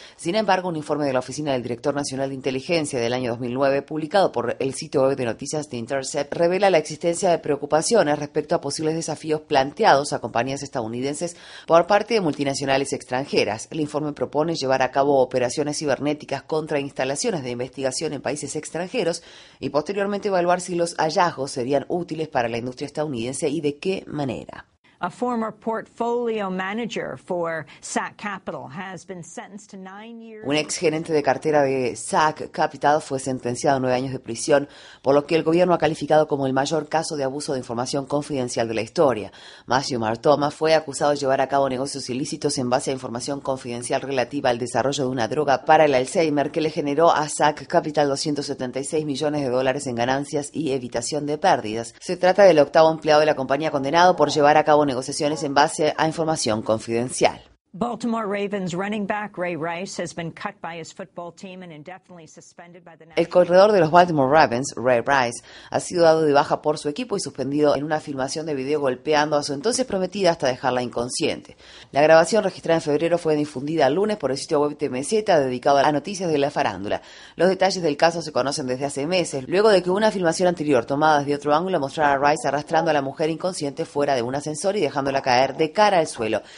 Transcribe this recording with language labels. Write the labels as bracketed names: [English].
[Spanish] Sin embargo, un informe de la Oficina del Director Nacional de Inteligencia del año 2009, publicado por el sitio web de noticias The Intercept, revela la existencia de preocupaciones respecto a posibles desafíos planteados a compañías estadounidenses por parte de multinacionales extranjeras. El informe propone llevar a cabo operaciones cibernéticas contra instalaciones de investigación en países extranjeros y posteriormente evaluar si los hallazgos serían útiles para la industria estadounidense y de qué manera. [English] A former portfolio manager for SAC Capital has been sentenced to 9 years. [Spanish] Un ex gerente de cartera de SAC Capital fue sentenciado a 9 años de prisión, por lo que el gobierno ha calificado como el mayor caso de abuso de información confidencial de la historia. Matthew Martoma fue acusado de llevar a cabo negocios ilícitos en base a información confidencial relativa al desarrollo de una droga para el Alzheimer que le generó a SAC Capital $276 millones en ganancias y evitación de pérdidas. Se trata del octavo empleado de la compañía condenado por llevar a cabo negociaciones en base a información confidencial. [English] Baltimore Ravens running back Ray Rice has been cut by his football team and indefinitely suspended by the National. [Spanish] El corredor de los Baltimore Ravens, Ray Rice, ha sido dado de baja por su equipo y suspendido en una filmación de video golpeando a su entonces prometida hasta dejarla inconsciente. La grabación registrada en febrero fue difundida el lunes por el sitio web TMZ dedicado a noticias de la farándula. Los detalles del caso se conocen desde hace meses, luego de que una filmación anterior tomada desde otro ángulo mostrara a Rice arrastrando a la mujer inconsciente fuera de un ascensor y dejándola caer de cara al suelo.